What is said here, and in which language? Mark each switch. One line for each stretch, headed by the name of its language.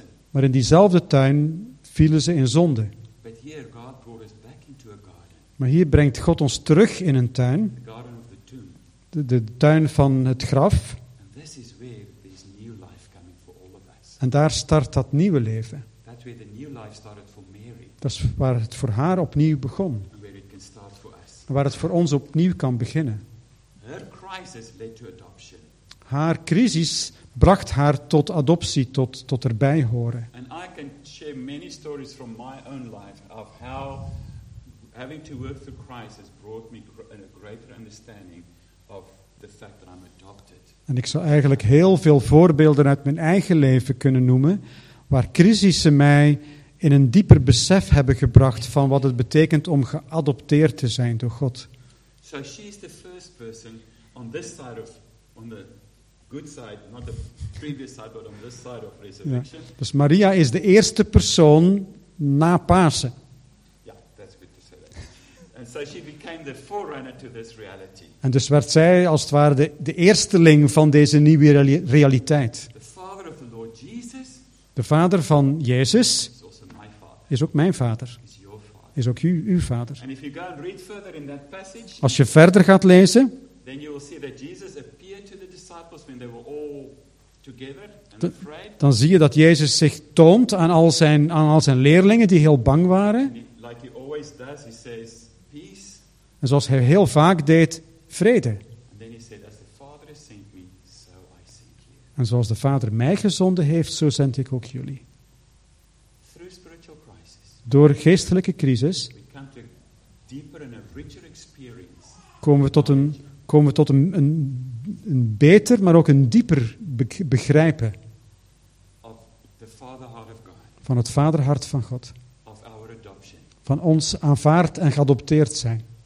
Dutch: Maar in diezelfde tuin vielen ze in zonde.
English: But here God brought us back into a garden.
Dutch: Maar hier brengt God ons terug in een tuin.
English: The garden of the tomb.
Dutch: De tuin van het graf.
English: And this is where this new life coming for all of us.
Dutch: En daar start dat nieuwe leven.
English: That's where the new life started for Mary.
Dutch: Dat is waar het voor haar opnieuw begon.
English: And where it can start for us.
Dutch: Waar het voor ons opnieuw kan beginnen.
English: Her crisis led to adoption.
Dutch: Haar crisis bracht haar tot adoptie, tot erbij horen.
English: And I can share many stories from my own life of how having to work through crisis brought me a greater understanding of the fact that I'm adopted.
Dutch: En ik zou eigenlijk heel veel voorbeelden uit mijn eigen leven kunnen noemen waar crisissen mij in een dieper besef hebben gebracht van wat het betekent om geadopteerd te zijn door God.
English: So she is the first person on this side of on the good side, not the previous side, but on this side of resurrection. Ja.
Dutch: Dus Maria is de eerste persoon na Pasen.
English: Ja, that's good to say that. And so she became the forerunner to this reality.
Dutch: En dus werd zij als het ware de eersteling van deze nieuwe realiteit.
English: The Father of the Lord Jesus.
Dutch: De Vader van Jezus
English: is also my Father.
Dutch: Is ook mijn Vader.
English: Is your Father.
Dutch: Is ook uw Vader.
English: And if you go and read further in that passage,
Dutch: als je verder gaat lezen,
English: then you will see that Jesus appeared to the disciples when they were all together and afraid.
Dutch: Dan zie je dat Jezus zich toont aan al zijn leerlingen die heel bang waren.
English: Like he always does, he says, peace.
Dutch: En zoals hij heel vaak deed, vrede.
English: And then he said, as the Father has sent me, so I send you.
Dutch: En zoals de Vader mij gezonden heeft, zo zend ik ook jullie.
English: Through spiritual crisis,
Dutch: door geestelijke crisis,
English: we come to a deeper and a richer experience.
Dutch: Komen we tot een beter, maar ook een dieper begrijpen
English: of the Father heart of God.
Dutch: Van het vaderhart van God.
English: Of our adoption.
Dutch: Van ons aanvaard en geadopteerd zijn.